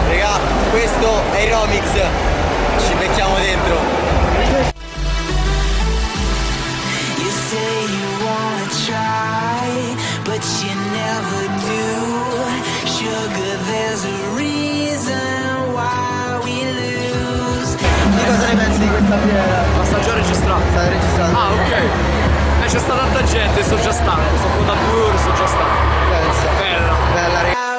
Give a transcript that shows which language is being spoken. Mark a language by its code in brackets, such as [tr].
[it] Romix, ci becchiamo dentro. [en] You say you wanna try, but you never do. Sugar, there's a reason why we lose. [it] Di cosa ne pensi di questa fiera? Ma sta già registrata. Sta registrata. Ah, ok. C'è stata tanta gente, sono già stanco. Sono con Dabur, sono già stanco. Penso. Bella. Bella, ragazzi.